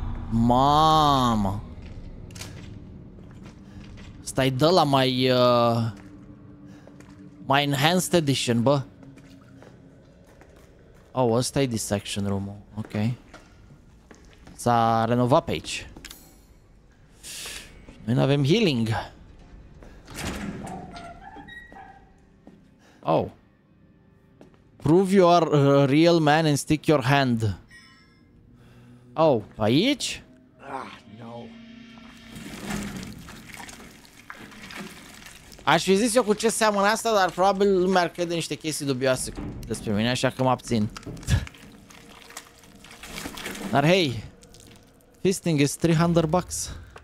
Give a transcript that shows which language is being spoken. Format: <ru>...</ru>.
<ro>Mama. Stai, dă la mai mai enhanced edition, bă. Oh, ăsta e dissection room. Ok. S-a renovat pe aici. Noi n-avem healing. Oh.</ro> <en>Prove you are a real man and stick your hand.</en> <ro>Oh, aici?</ro> <en>Ah, no.</en> <ro>Aș fi zis eu cu ce seamănă asta, dar probabil lumea ar crede niște chestii dubioase despre mine, așa că mă abțin. Dar hei,</ro> <en>fisting is 300 bucks.</en>